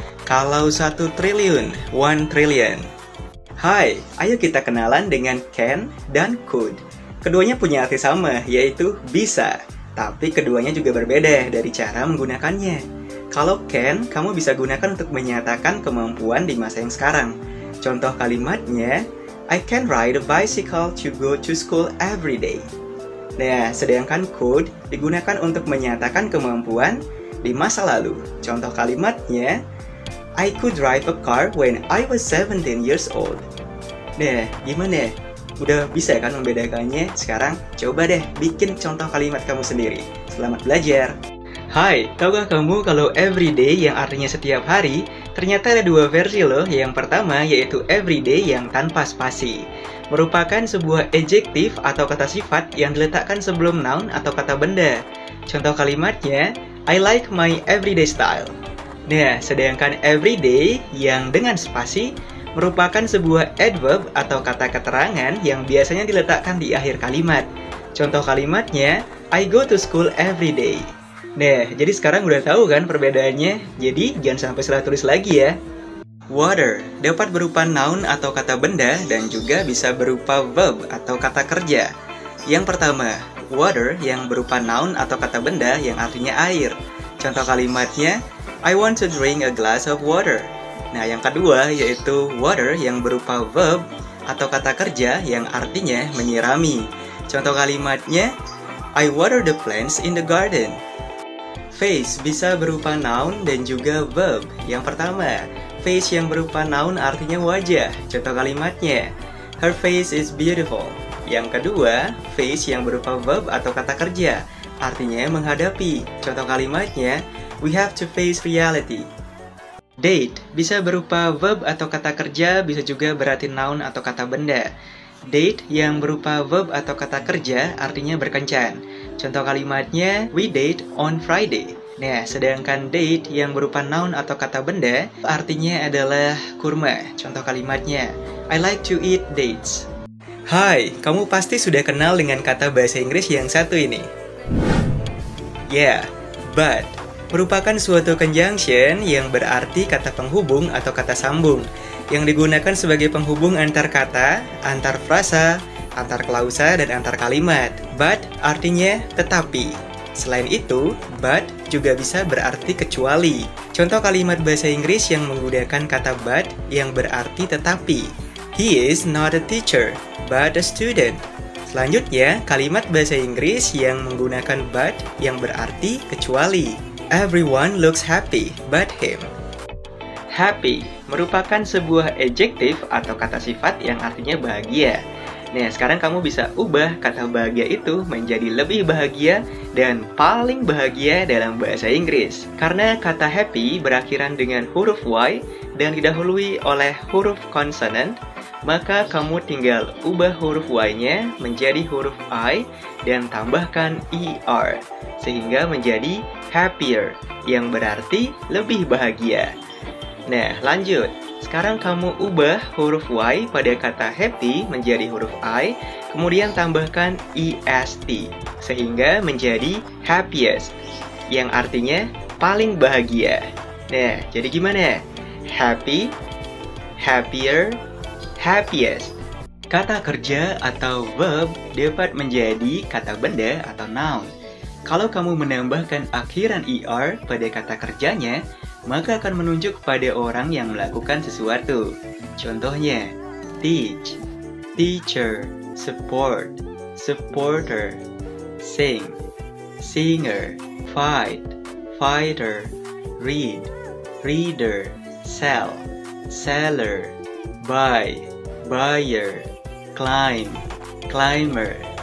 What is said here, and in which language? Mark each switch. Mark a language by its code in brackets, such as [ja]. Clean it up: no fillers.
[id] Kalau 1 triliun, 1 trillion. Hai, ayo kita kenalan dengan can dan could. Keduanya punya arti sama, yaitu bisa. Tapi keduanya juga berbeda dari cara menggunakannya. Kalau can, kamu bisa gunakan untuk menyatakan kemampuan di masa yang sekarang. Contoh kalimatnya, [en] I can ride a bicycle to go to school every day. [id] Nah, sedangkan could digunakan untuk menyatakan kemampuan di masa lalu. Contoh kalimatnya, [en] I could drive a car when I was 17 years old. [id] Nah, gimana? Udah bisa kan membedakannya? Sekarang coba deh bikin contoh kalimat kamu sendiri. Selamat belajar. Hai, tahukah kamu kalau everyday yang artinya setiap hari, ternyata ada dua versi loh. Yang pertama yaitu everyday yang tanpa spasi. Merupakan sebuah adjective atau kata sifat yang diletakkan sebelum noun atau kata benda. Contoh kalimatnya, [en] I like my everyday style. [id] Nah, sedangkan everyday yang dengan spasi merupakan sebuah adverb atau kata keterangan yang biasanya diletakkan di akhir kalimat. Contoh kalimatnya, [en] I go to school every day. [id] Nah, jadi sekarang udah tahu kan perbedaannya? Jadi, jangan sampai salah tulis lagi ya. Water dapat berupa noun atau kata benda dan juga bisa berupa verb atau kata kerja. Yang pertama, water yang berupa noun atau kata benda yang artinya air. Contoh kalimatnya, [en] I want to drink a glass of water. [id] Nah, yang kedua yaitu water yang berupa verb atau kata kerja yang artinya menyirami. Contoh kalimatnya, [en] I water the plants in the garden. [id] Phase bisa berupa noun dan juga verb. Yang pertama, face yang berupa noun artinya wajah. Contoh kalimatnya, [en] her face is beautiful. [id] Yang kedua, face yang berupa verb atau kata kerja, artinya menghadapi. Contoh kalimatnya, [en] we have to face reality. [id] Date bisa berupa verb atau kata kerja, bisa juga berarti noun atau kata benda. Date yang berupa verb atau kata kerja artinya berkencan. Contoh kalimatnya, [en] we date on Friday. [id] Nah, sedangkan date yang berupa noun atau kata benda artinya adalah kurma. Contoh kalimatnya, [en] I like to eat dates. [id] Hai, kamu pasti sudah kenal dengan kata bahasa Inggris yang satu ini. Yeah, but merupakan suatu conjunction yang berarti kata penghubung atau kata sambung yang digunakan sebagai penghubung antar kata, antar frasa, antar klausa, dan antar kalimat. But artinya tetapi. Selain itu, but juga bisa berarti kecuali. Contoh kalimat bahasa Inggris yang menggunakan kata but yang berarti tetapi. [en] He is not a teacher, but a student. [id] Selanjutnya, kalimat bahasa Inggris yang menggunakan but yang berarti kecuali. [en] Everyone looks happy but him. [id] Happy merupakan sebuah adjective atau kata sifat yang artinya bahagia. Nah, sekarang kamu bisa ubah kata bahagia itu menjadi lebih bahagia dan paling bahagia dalam bahasa Inggris. Karena kata happy berakhiran dengan huruf Y dan didahului oleh huruf consonant, maka kamu tinggal ubah huruf Y-nya menjadi huruf I dan tambahkan ER, sehingga menjadi happier, yang berarti lebih bahagia. Nah, lanjut. Sekarang kamu ubah huruf Y pada kata happy menjadi huruf I, kemudian tambahkan EST, sehingga menjadi happiest, yang artinya paling bahagia. Nah, jadi gimana? [en] Happy, happier, happiest. [id] Kata kerja atau verb dapat menjadi kata benda atau noun. Kalau kamu menambahkan akhiran ER pada kata kerjanya, maka akan menunjuk pada orang yang melakukan sesuatu. [en] Contohnya, teach, teacher, support, supporter, sing, singer, fight, fighter, read, reader, sell, seller, buy, buyer, climb, climber.